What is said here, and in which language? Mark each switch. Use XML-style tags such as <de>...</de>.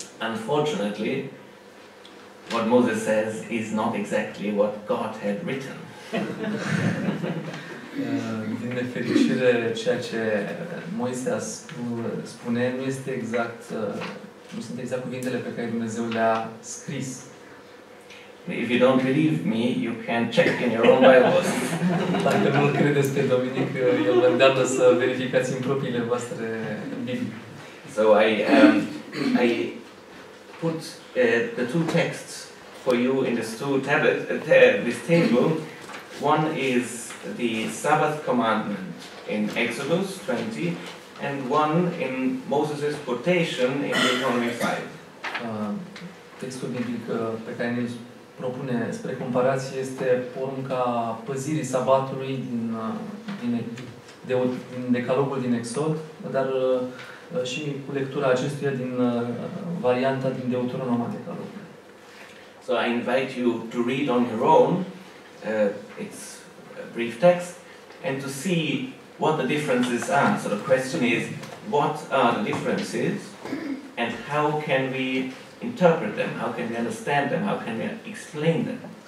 <en>Unfortunately, what Moses says is not exactly what God had written.</en> <ro>Din nefericire, ceea ce Moise spune nu este exact, nu sunt exact cuvintele pe care Dumnezeu le-a scris.</ro> <en>If you don't believe me, you can check in your own Bibles.</en> <ro>Dacă nu credeți pe Dominic, el vă îndeamnă să verificați în propriile voastre Biblii.</ro> <en>So I put the two texts for you in this two tablet this table. One is the Sabbath commandment in Exodus 20 and one in Moses' quotation in Deuteronomy 5.</en> <ro>Textul biblic pe care ne-l propune spre comparație este porunca păzirii sabatului din Decalogul din Exod, dar și cu lectura acestuia din varianta din Deuteronom a Decalogului.</ro> <en>So I invite you to read on your own. It's brief text, and to see what the differences are. So the question is, what are the differences, and how can we interpret them, how can we understand them, how can we explain them?</en>